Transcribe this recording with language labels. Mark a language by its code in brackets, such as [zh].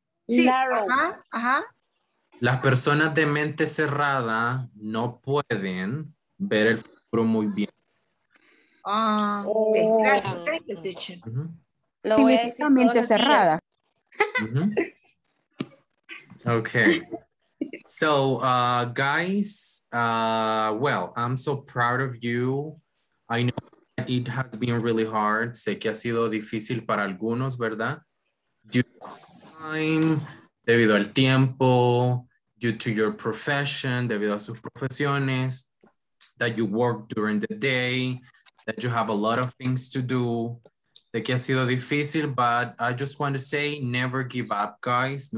[es] Sí. Claro. Uh-huh. Uh-huh. Las personas de mente cerrada no pueden ver el futuro muy bien. Okay. Gracias, teacher. Uh-huh. Lo voy a decir todos mente los cerrada. Días. Mm-hmm. [en] Okay, so guys, well, I'm so proud of you. I know that it has been really hard. [es] Sé que ha sido difícil para algunos, ¿verdad? [en] Due to time, [es] debido al tiempo, [en] due to your profession, [es] debido a sus profesiones, [en] that you work during the day, that you have a lot of things to do. [es] Sé que ha sido difícil, [en] but I just want to say, never give up, guys.